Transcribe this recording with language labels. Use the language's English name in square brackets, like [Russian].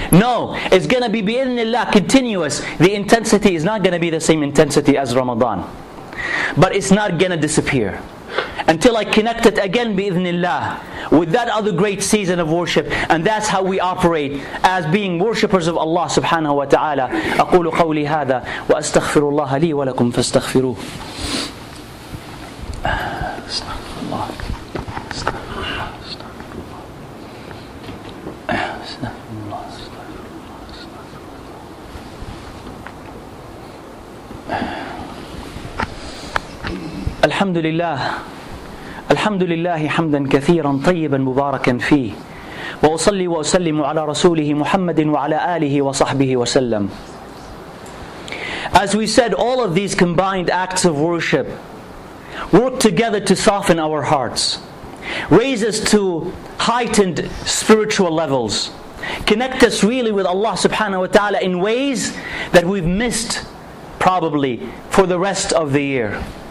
[English] No, it's going to be bi-idhnillah continuous. The intensity is not going to be the same intensity as Ramadan. But it's not going to disappear. Until I connect it again bi-idhnillah with that other great season of worship. And that's how we operate as being worshippers of Allah subhanahu wa ta'ala. [Arabic] أقول قولي هذا وأستغفر الله لي ولكم فاستغفروه. الحمد لله الحمد لله حمدا كثيرا طيبا مباركا فيه وأصلي وأسلم على رسوله محمد وعلى آله وصحبه وسلم. [English] As we said, all of these combined acts of worship work together to soften our hearts, raise us to heightened spiritual levels, connect us really with Allah subhanahu wa ta'ala in ways that we've missed probably for the rest of the year.